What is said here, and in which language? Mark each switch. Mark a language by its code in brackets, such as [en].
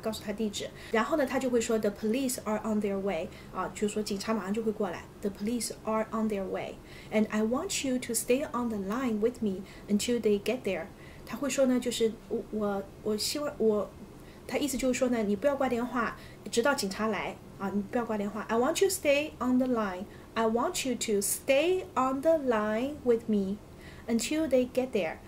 [zh] 告诉他地址，然后呢他就会说 [en] the police are on their way、 [zh] 就是说警察马上就会过来， [en] the police are on their way and I want you to stay on the line with me until they get there。 [zh] 他会说呢，就是 我希望他意思就是说呢，你不要挂电话，直到警察来啊，你不要挂电话。 [en] I want you to stay on the line. I want you to stay on the line with me until they get there.